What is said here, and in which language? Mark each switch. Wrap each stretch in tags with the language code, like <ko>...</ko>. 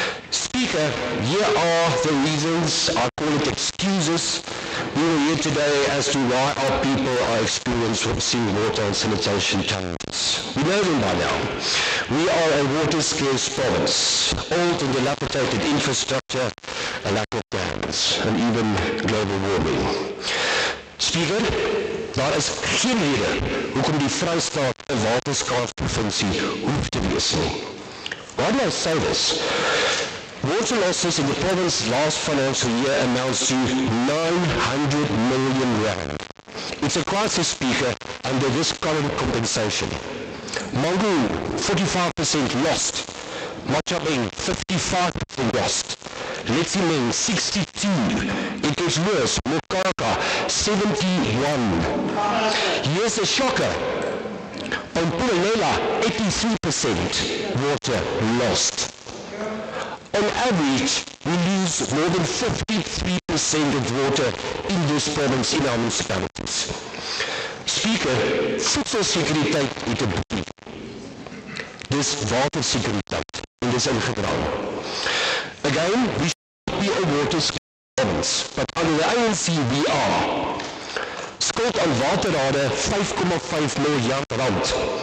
<en>Speaker, here are the reasons, I call it excuses, we are here today as to why our people are experiencing water and sanitation challenges. We know them by now. We are a water scarce province, old and dilapidated infrastructure, a lack of dams, and even global warming.</en> <af>Speaker, daar is geen rede hoekom die Vrystaat 'n waterskaars provinsie hoef te wees nie.</af> <en>Why do I say this? Water losses in the province last financial year amounts to 900 million rand. It's a crisis, Speaker, under this current compensation. Mangu, 45% lost. Machabing, 55% lost. Letsimeng, 62%. It gets worse. Mokaka, 71%. Here's a shocker. Pampulela, 83% water lost. On average, we lose more than 53% of water in this province in our municipalities.</en> <af>Speaker, voedsel sekuriteit het 'n probleem. Dis water sekuriteit en dis ingedraai.</af> <en>Again, we should be a water province, but under the ANC we are.</en> <af>Skuld aan waterrade 5,5 miljard rand.</af>